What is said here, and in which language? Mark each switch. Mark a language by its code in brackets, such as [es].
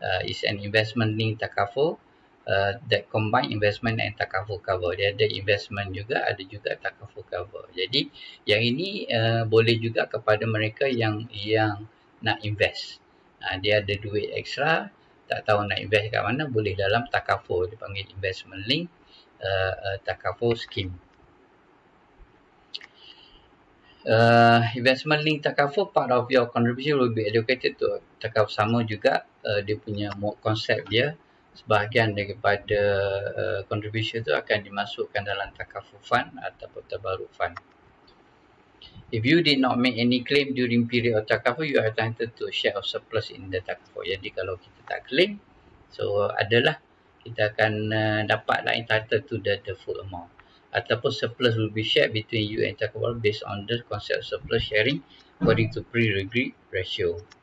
[en] It's an investment link takaful that combine investment and takaful cover. [ms] Dia ada investment juga, ada juga takaful cover. Jadi yang ini boleh juga kepada mereka yang nak invest. Dia ada duit extra, tak tahu nak invest kat mana, boleh dalam takaful. Dia panggil investment link takaful scheme. [en] Investment link takaful, part of your contribution will be allocated to takaful. [ms] Sama juga dia punya konsep dia. Sebahagian daripada contribution tu akan dimasukkan dalam takaful fund ataupun tabarruk fund. [en] If you did not make any claim during period of takaful, you are entitled to share of surplus in the takaful. [ms] Jadi kalau kita tak claim, so adalah kita akan dapat lah [en] entitled to the full amount. [ms] Ataupun [en] surplus will be shared between you and takaful based on the concept of surplus sharing according to pre-agreed ratio.